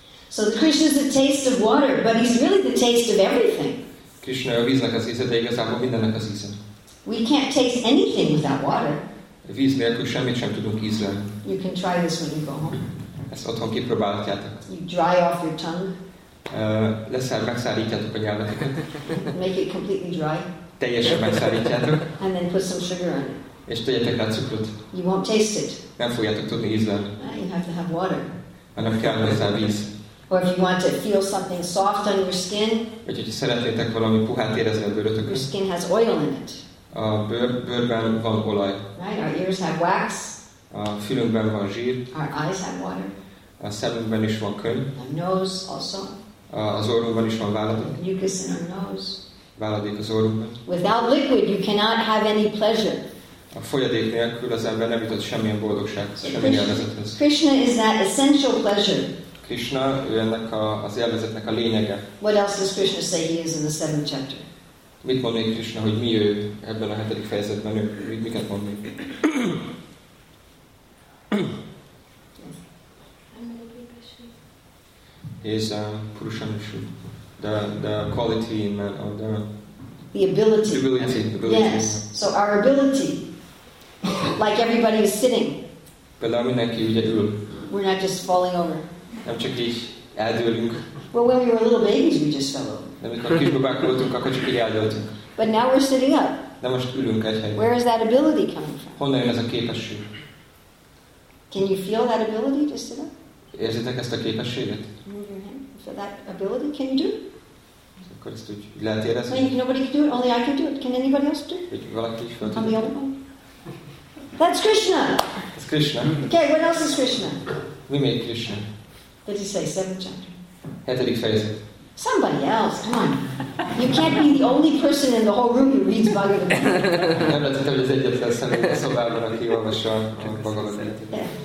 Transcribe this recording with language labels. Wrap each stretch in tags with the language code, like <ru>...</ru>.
<en>So Krishna is the taste of water, but he's really the taste of everything.</en> <hu>Krishna a víznek az íze, de igazából mindennek az íze.</hu> <en>We can't taste anything without water.</en> <hu>A víz nélkül semmit sem tudunk ízlelni.</hu> <en>You can try this when you go home.</en> <hu>Ezt otthon kipróbálhatjátok.</hu> <en>You dry off your tongue.</en> <hu>Megszárítjátok a nyelveteket.</hu> <en>Make it completely dry.</en> <hu>Teljesen megszárítjátok.</hu> <en>And then put some sugar on it.</en> <hu>És tegyetek rá cukrot.</hu> <en>You won't taste it.</en> <hu>Nem fogjátok tudni ízlelni.</hu> <en>You have to have water.</en> <hu>Annak kell hozzá víz.</hu> <en>Or if you want to feel something soft on your skin.</en> <hu>Vagy hogyha szeretnétek valami puhát érezni a bőrötökön.</hu> <en>Your skin has oil in it.</en> <hu>A bőrben van olaj.</hu> <en>Right, our ears have wax.</en> <hu>A fülünkben van zsír.</hu> <en>Our eyes have water.</en> <hu>A szemünkben is van könyv.</hu> <en>Our nose also.</en> <hu>Az orrunkban is van váladék.</hu> <en>Mucus in our nose.</en> <hu>Váladék az orrunkban.</hu> <en>Without liquid you cannot have any pleasure.</en> <hu>A folyadék nélkül az ember nem jutott semmilyen boldogság, semmilyen élvezethez.</hu> <en>Krishna is that essential pleasure.</en> <hu>Krishna, ő ennek az élvezetnek a lényege.</hu> <en>What else does Krishna say he is in the seventh chapter?</en> <hu>Mit mond még Krishna, hogy mi ő ebben a hetedik fejezetben? Miket mond még?</hu> <en>He is a Purushanushu. The quality in man. The ability. Ability. Yes, so our ability. Like everybody is sitting. We're not just falling over.</en> <hu>Nem csak így eldőlünk.</hu> <en>Well, when we were little babies, we just fell over. But now we're sitting up.</en> <hu>De most ülünk egy helyen.</hu> <en>Where is that ability coming from?</en> <hu>Honnan jön ez a képesség?</hu> <en>Can you feel that ability to sit up?</en> <hu>Érzitek ezt a képességet?</hu> <en>So that ability, can you do it?</en> <hu>Akkor ezt úgy lehet érezni?</hu> <en>Well, nobody can do it, only I can do it. Can anybody else do it?</en> <hu>Hogy valaki is feltudja.</hu> <en>I'm the only one. That's Krishna. It's Krishna. Okay, what else is Krishna? We made Krishna. What did he say? Seventh chapter.</en> <hu>Hetedik fejezet.</hu> <en>Somebody else, come on. You can't be the only person in the whole room who reads Bhagavad Gita.</en> <hu>Nem lehetett, hogy az egyetlen személy a szobában, aki olvassa a Bhagavad Gita.</hu>